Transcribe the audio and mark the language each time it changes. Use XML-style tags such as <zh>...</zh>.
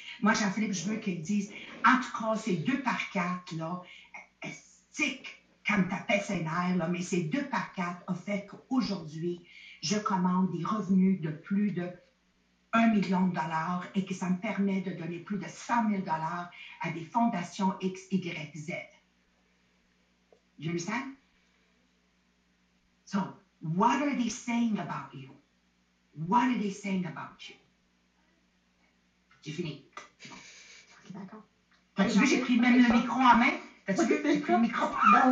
<fr>Moi, Jean-Philippe, je veux qu'ils disent, en tout cas, ces 2x4, là, stick, comme ta pèse et l'air, là, mais ces 2x4 ont fait qu'aujourd'hui, je commande des revenus de plus de 1 million de dollars et que ça me permet de donner plus de 100 000 dollars à des fondations X, Y, Z.</fr> <en>You understand? So, what are they saying about you? What are they saying about you?</en> <fr>J'ai fini. D'accord. T'as-tu vu, j'ai pris même le micro en main? T'as-tu vu, j'ai pris le micro en main?</fr>